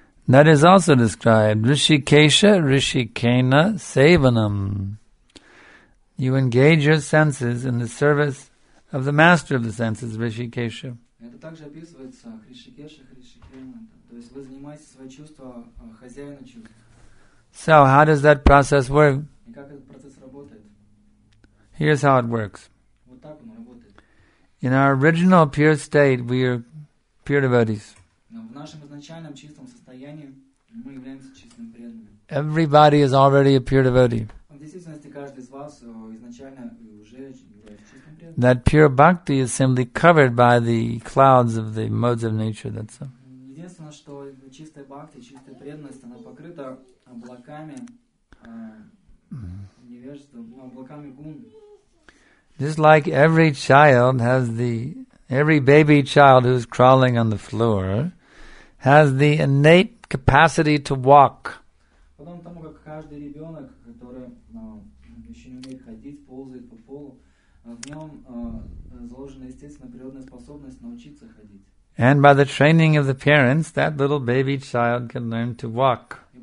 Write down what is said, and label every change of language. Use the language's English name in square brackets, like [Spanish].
[English] That is also described, Rishikesha Rishikena Sevanam. You engage your senses in the service of the master of the senses, Rishi Kesha. [Russian] Это также описывается Хришикеша, Хришикена. То есть вы занимаетесь свои чувства хозяином чувств. [English] So how does that process work? [Russian] И как этот процесс работает? [English] Here's how it works. [Russian] Вот так он работает. [English] In our original pure state, we are pure devotees. [Russian] В нашем изначальном чистом состоянии мы являемся чистыми преданными. [English] Everybody is already a pure devotee. [Russian] В действительности каждый из вас изначально уже [English] That pure bhakti is simply covered by the clouds of the modes of nature. That's so. [Russian] Единственное, что чистая бхакти, чистая преданность, она покрыта облаками невежества, облаками гун. [English] Just like every child has the, every baby child who's crawling on the floor, has the innate capacity to walk. [Russian] Подобно тому, как каждый ребенок, который еще не умеет ходить, ползает по полу. [English] And by the training of the parents, that little baby child can learn to walk.